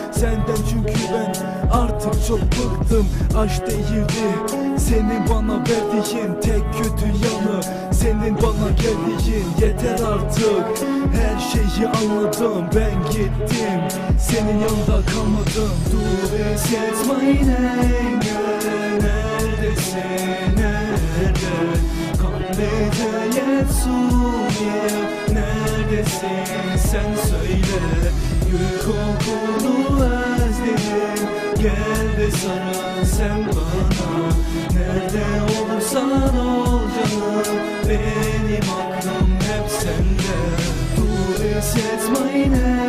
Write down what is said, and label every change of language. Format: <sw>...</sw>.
<tr>Senden çünkü ben artık çok bıktım. Aşk değildi, senin bana verdiğin tek kötü yanı. Senin bana geldiğin yeter artık. Her şeyi anladım, ben gittim. Senin yanında kalmadım.</tr> <de>Du bist jetzt mein Engel.</de> <tr>Neredesin, nerede?</tr> <de>Komm bitte jetzt zu mir.</de> <tr>Neredesin, sen söyle. Gül kokunu özledim. Gel de sana, sen bana. Nerede olursan ol canım. Benim aklım hep sende.</tr> <de>Du bist jetzt mein Engel.</de>